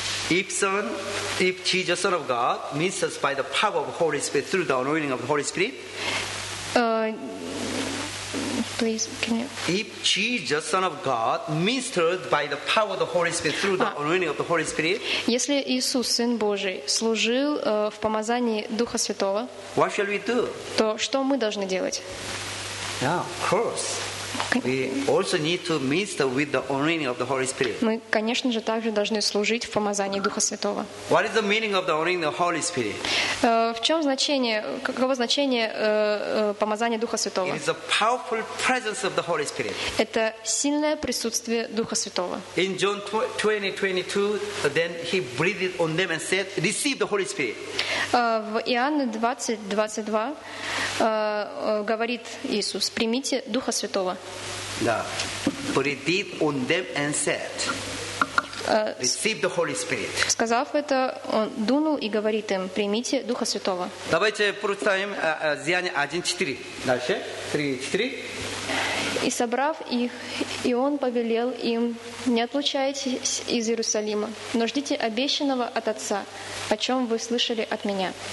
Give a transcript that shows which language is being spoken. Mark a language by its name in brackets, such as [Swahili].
[English] Yeah. If Jesus, Son of God, ministers by the power of the Holy Spirit through the anointing of the Holy Spirit, if Jesus, Son of God, ministered by the power of the Holy Spirit through the anointing of the Holy Spirit, [Russian] если Иисус, Сын Божий, служил в помазании Духа Святого, [English] what shall we do? [Russian] То что мы должны делать? [English] Yeah, of course. We also need to minister with the anointing of the Holy Spirit. [Russian] Мы, конечно же, также должны служить в помазании Духа Святого. [English] What is the meaning of the anointing of the Holy Spirit? [Russian] В чем значение, каково значение помазания Духа Святого? [English] It is the powerful presence of the Holy Spirit. [Russian] Это сильное присутствие Духа Святого. [English] In John 20:22, then he breathed on them and said, "Receive the Holy Spirit." [Russian] В Иоанне 20:22 говорит Иисус: «Примите Духа Святого». Да. [English] Breathed on them and said, "Receive the Holy Spirit." [Russian] Сказав это, он дунул и говорит им: «Примите Духа Святого». Давайте прочитаем Деяния 1:4. Дальше. 3:4. И собрав их, и он повелел им: «Не отлучайтесь из Иерусалима, но ждите обещанного от Отца, о чем вы слышали от меня».